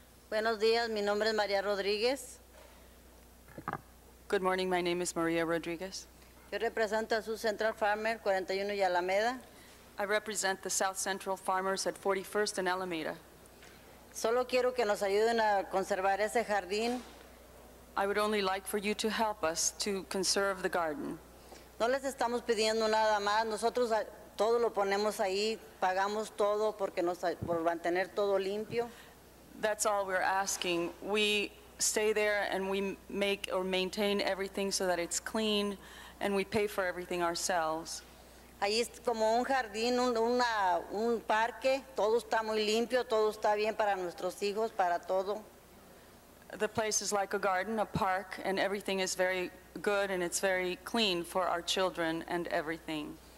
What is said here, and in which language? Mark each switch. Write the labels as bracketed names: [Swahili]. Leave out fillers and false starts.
[Spanish] Buenos días, mi nombre es María Rodríguez. [English] Good morning, my name is María Rodríguez. [Spanish] Yo represento a South Central Farmer 41 y Alameda. [English] I represent the South Central Farmers at 41st and Alameda. [Spanish] Solo quiero que nos ayuden a conservar ese jardín. [English] I would only like for you to help us to conserve the garden. [Spanish] No les estamos pidiendo nada más. Nosotros todo lo ponemos ahí, pagamos todo porque nos por mantener todo limpio. [English] That's all we're asking. We stay there and we make or maintain everything so that it's clean. And we pay for everything ourselves. [Spanish] Ahí es como un jardín, un parque. Todo está muy limpio. Todo está bien para nuestros hijos, para todo. [English] The place is like a garden, a park, and everything is very good and it's very clean for our children and everything.